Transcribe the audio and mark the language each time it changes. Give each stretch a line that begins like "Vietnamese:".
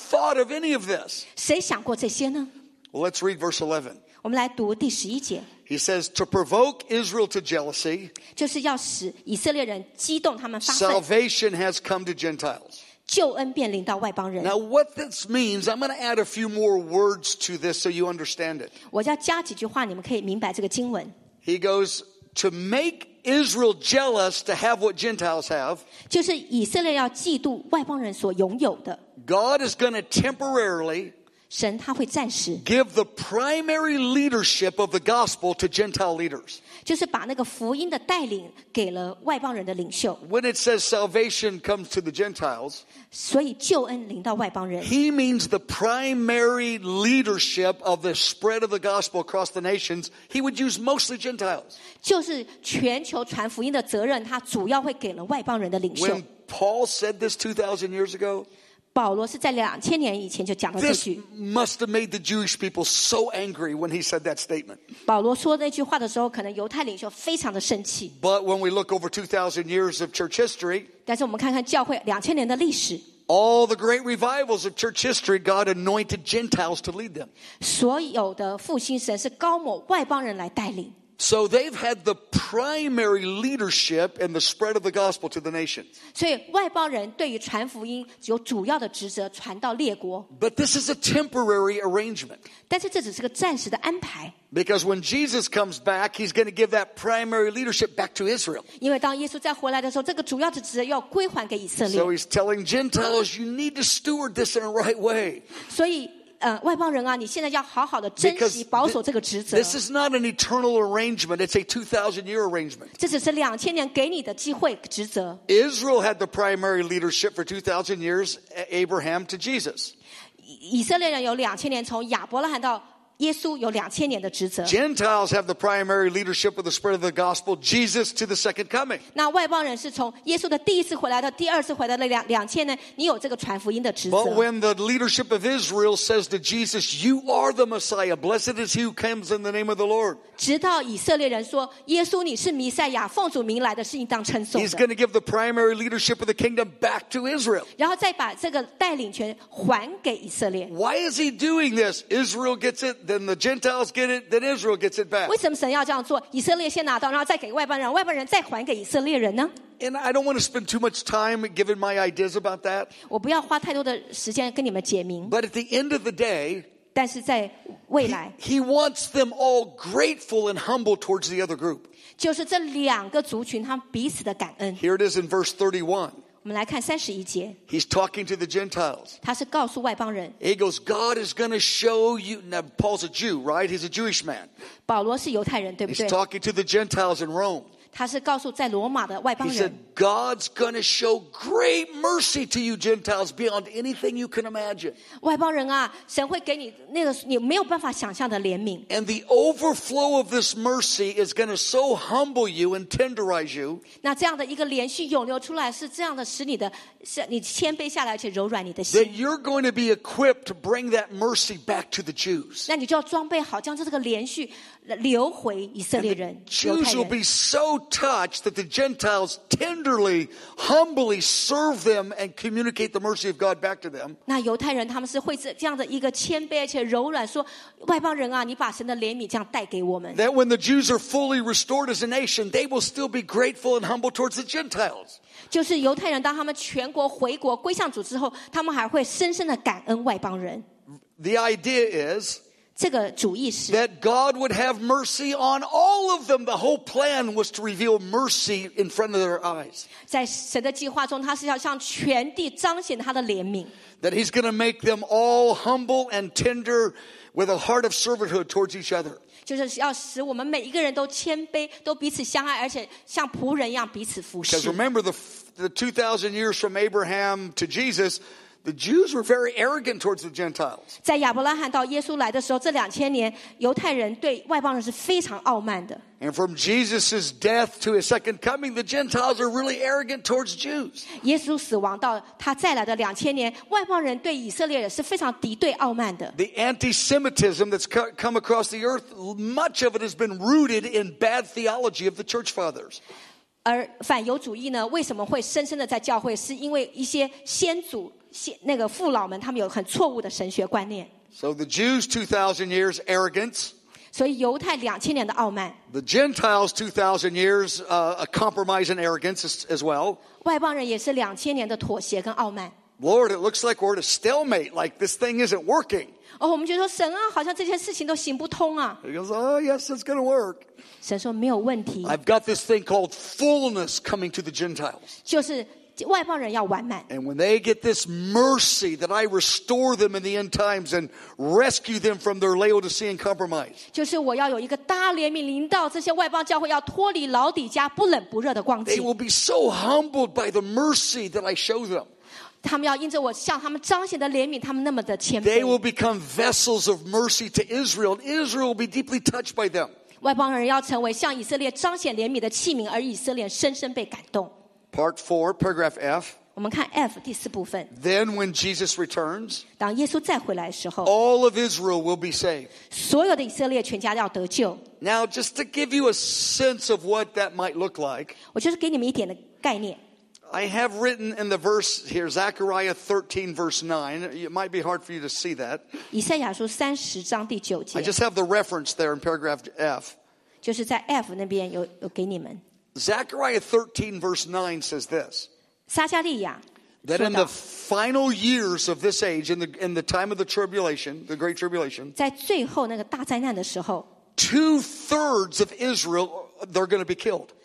English: Who would have thought of any of this
Chinese: 谁想过这些呢
English: Well, let's read verse 11
Chinese: 我们来读第十一节
English: He says to provoke Israel to jealousy
Chinese: 就是要使以色列人激动他们发愤
English: Salvation has come to Gentiles
Chinese: 救恩便临到外邦人
English: Now what this means I'm going to add a few more words to this so you understand it
Chinese: 我要加几句话你们可以明白这个经文
English: He goes, to make Israel jealous to have what Gentiles have.
Chinese: 就是以色列要嫉妒外邦人所拥有的。
English: God is going to temporarily
Chinese: 神他会暂时
English: give the primary leadership of the gospel to Gentile leaders.
Chinese: 就是把那个福音的带领给了外邦人的领袖。
English: When it says salvation comes to the Gentiles,
Chinese: 所以救恩临到外邦人。
English: He means the primary leadership of the spread of the gospel across the nations. He would use mostly Gentiles.
Chinese: 就是全球传福音的责任他主要会给了外邦人的领袖。
English: When Paul said this 2,000 years ago,
Chinese: 保罗是在两千年以前就讲了这句。
English: This must have made the Jewish people so angry when he said that statement.
Chinese: 保罗说那句话的时候，可能犹太领袖非常的生气。
English: But when we look over 2,000 years of church history,
Chinese: 但是我们看看教会两千年的历史。
English: All the great revivals of church history, God anointed Gentiles to lead them.
Chinese: 所有的复兴神是高抹外邦人来带领。
English: So they've had the primary leadership in the spread of the gospel to the nations.
Chinese: 所以外邦人对于传福音有主要的职责，传到列国。
English: But this is a temporary arrangement.
Chinese: 但是这只是个暂时的安排。
English: Because when Jesus comes back, he's going to give that primary leadership back to Israel.
Chinese: 因为当耶稣再回来的时候，这个主要的职责要归还给以色列。
English: So he's telling Gentiles, you need to steward this in a right way.
Chinese: 所以外邦人啊，你现在要好好的珍惜、保守这个职责。
English: This is not an eternal arrangement; it's a 2,000-year arrangement.
Chinese: 这只是两千年给你的机会、职责。
English: Israel had the primary leadership for 2,000 years, Abraham to Jesus.
Chinese: 以色列人有两千年，从亚伯拉罕到耶稣有两千年的职责。
English: Gentiles have the primary leadership of the spread of the gospel, Jesus to the second coming.
Chinese: 那外邦人是从耶稣的第一次回来到第二次回来的两千年，你有这个传福音的职责。
English: But when the leadership of Israel says to Jesus, "You are the Messiah. Blessed is he who comes in the name of the Lord."
Chinese: 直到以色列人说耶稣你是弥赛亚，奉主名来的，是应当称颂的。
English: He's going to give the primary leadership of the kingdom back to Israel.
Chinese: 然后再把这个带领权还给以色列。
English: Why is he doing this? Israel gets it. Then the Gentiles get it. Then Israel gets it back.
Chinese: 为什么神要这样做？以色列先拿到，然后再给外邦人，外邦人再还给以色列人呢？
English: And I don't want to spend too much time giving my ideas about that.
Chinese: 我不要花太多的时间跟你们解明。
English: But at the end of the day,
Chinese: 但是在未来
English: he wants them all grateful and humble towards the other group.
Chinese: 就是这两个族群他们彼此的感恩。
English: Here it is in verse 31.
Chinese: 我们来看三十一节。
English: He's talking to the Gentiles.
Chinese: 他是告诉外邦人。
English: He goes, God is going to show you. Now, Paul's a Jew, right? He's a Jewish man.
Chinese: 保罗是犹太人，对不对？
English: He's talking to the Gentiles in Rome.
Chinese: 他是告诉在罗马的外邦人。
English: He said, God's going to show great mercy to you Gentiles beyond anything you can imagine.
Chinese: 外邦人啊，神会给你那个你没有办法想象的怜悯。
English: And the overflow of this mercy is going to so humble you and tenderize you.
Chinese: 那这样的一个连续涌流出来是这样的使你的你谦卑下来而且柔软你的心。
English: That you're going to be equipped to bring that mercy back to the Jews.
Chinese: 那你就要装备好将这个连续流回以色列人。
English: Jews will be so touched that the Gentiles tenderly, humbly serve them and communicate the mercy of God back to them.
Chinese: 那犹太人他们是会这样的一个谦卑而且柔软说外邦人啊你把神的怜悯这样带给我们。
English: That when the Jews are fully restored as a nation, they will still be grateful and humble towards the Gentiles.
Chinese: 就是犹太人当他们全国回国归向主之后他们还会深深的感恩外邦人。
English: The idea is,
Chinese: 这个主意是
English: that God would have mercy on all of them. The whole plan was to reveal mercy in front of their eyes.
Chinese: 在神的计划中，他是要向全地彰显他的怜悯。
English: That he's going to make them all humble and tender with a heart of servanthood towards each other.
Chinese: 就是要使我们每一个人都谦卑，都彼此相爱，而且像仆人一样彼此服侍。
English: Because remember the 2,000 years from Abraham to Jesus, the Jews were very arrogant towards the Gentiles.
Chinese: 在亚伯拉罕到耶稣来的时候，这两千年，犹太人对外邦人是非常傲慢的。
English: And from Jesus' death to his second coming, the Gentiles are really arrogant towards Jews.
Chinese: 耶稣死亡到他再来的两千年，外邦人对以色列人是非常敌对傲慢的。
English: The anti-Semitism that's come across the earth, much of it has been rooted in bad theology of the church fathers.
Chinese: 而反犹主义呢，为什么会深深的在教会，是因为一些先祖那个父老们他们有很错误的神学观念。
English: So the Jews 2,000 years arrogance.
Chinese: 所以犹太两千年的傲慢。
English: The Gentiles 2,000 years a compromise and arrogance as well.
Chinese: 外邦人也是两千年的妥协跟傲慢。
English: Lord, it looks like we're at a stalemate. Like this thing isn't working.
Chinese: 哦，我们觉得说神啊，好像这些事情都行不通啊。
English: He goes, Oh yes, it's going to work.
Chinese: 神说没有问题。
English: I've got this thing called fullness coming to the Gentiles.
Chinese: 就是。外邦人要完满。
English: And when they get this mercy that I restore them in the end times and rescue them from their Laodicean compromise.
Chinese: 就是我要有一个大怜悯临到这些外邦教会要脱离老底家不冷不热的光景。
English: They will be so humbled by the mercy that I show them.
Chinese: 他们要因着我向他们彰显的怜悯他们那么的谦卑。
English: They will become vessels of mercy to Israel. And Israel will be deeply touched by them.
Chinese: 外邦人要成为向以色列彰显怜悯的器皿而以色列深深被感动。
English: Part 4, paragraph F.
Chinese: 我们看 F 第四部分。
English: Then when Jesus returns,
Chinese: 当耶稣再回来的时候，
English: all of Israel will be saved.
Chinese: 所有的以色列全家要得救。
English: Now, just to give you a sense of what that might look like,
Chinese: 我就是给你们一点的概念。
English: I have written in the verse here, Zechariah 13, verse 9. It might be hard for you to see that.
Chinese: 以赛亚书三十章第九节。
English: I just have the reference there in paragraph F.
Chinese: 就是在 F 那边有给你们。
English: Zechariah 13 verse 9 says this.
Chinese: 撒迦利亚
English: that in the final years of this age, in the time of the tribulation, the great tribulation,
Chinese: 在最后那个大灾难的时候
English: 2/3 of Israel, they're going to be killed.